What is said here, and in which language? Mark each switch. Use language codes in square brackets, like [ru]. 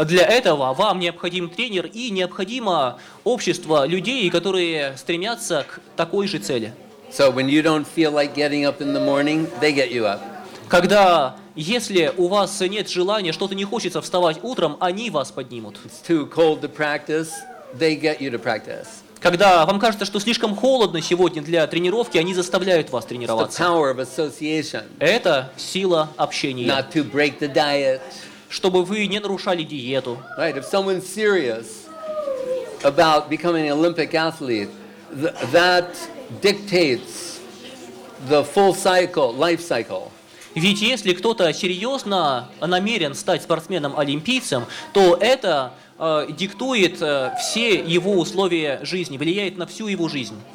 [ru] Для этого вам необходим тренер и необходимо общество людей, которые стремятся к такой же цели. [en] So when you don't feel like getting up in the morning, they get you up. [ru] Когда если у вас нет желания, что-то не хочется вставать утром, они вас поднимут. [en] It's too cold to practice, they get you to practice. [ru] Когда вам кажется, что слишком холодно сегодня для тренировки, они заставляют вас тренироваться. Это сила общения. [en] Not to break the diet. [ru] Чтобы вы не нарушали диету. [en] Right. If someone's serious about becoming an Olympic athlete, that dictates the full cycle, life cycle. [ru] Ведь если кто-то серьезно намерен стать спортсменом-олимпийцем, то это диктует все его условия жизни, влияет на всю его жизнь.